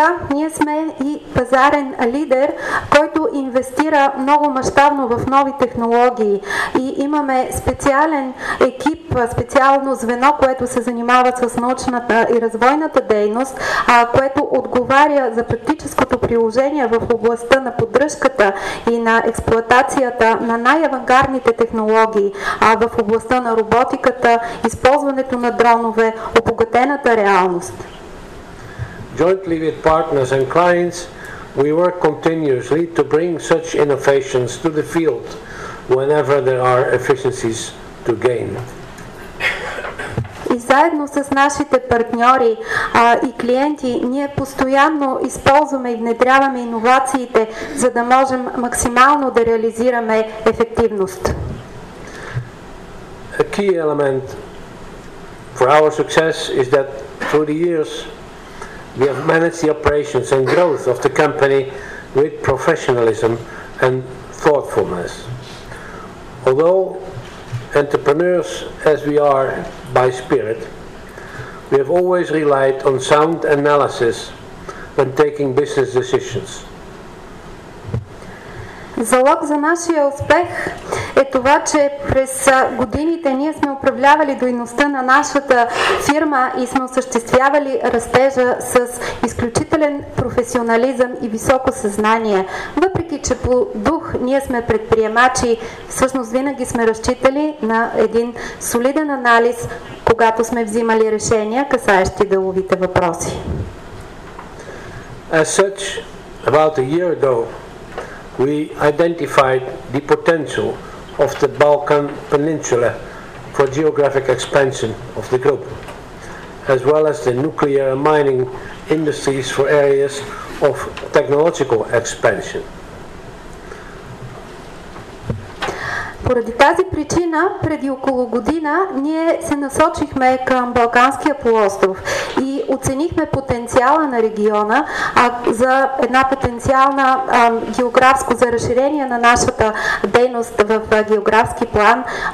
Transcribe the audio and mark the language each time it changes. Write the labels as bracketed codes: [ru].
[bg] Ние сме и пазарен лидер, който инвестира много мащабно в нови технологии и имаме специален екип, специално звено, което се занимава с научната и развойната дейност, което отговаря за практическото приложение в областта на поддръжката и на експлоатацията на най-авангардните технологии в областта на роботиката, използването на дронове, обогатената реалност. [en] Jointly with partners and clients, we work continuously to bring such innovations to the field whenever there are efficiencies to gain. [bg] и заедно с нашите партньори и клиенти ние постоянно използваме и внедряваме иновациите, за да можем максимално да реализираме ефективност. [en] A key element for our success is that through the years we have managed the operations and growth of the company with professionalism and thoughtfulness. Although entrepreneurs as we are by spirit, we have always relied on sound analysis when taking business decisions. [bg] Залог за нашия успех е това, че през годините ние сме управлявали дейността на нашата фирма и сме осъществявали растежа с изключителен професионализъм и високо съзнание. Въпреки че по дух ние сме предприемачи, всъщност винаги сме разчитали на един солиден анализ, когато сме взимали решения, касаещи деловите въпроси. [en] As such, about a year ago, we identified the potential of the Balkan Peninsula for geographic expansion of the group, as well as the nuclear and mining industries for areas of technological expansion. [bg] Поради тази причина, преди около година, ние се насочихме към Балканския полуостров и оценихме потенциала на региона за една потенциална географско за разширение на нашата дейност в географски план.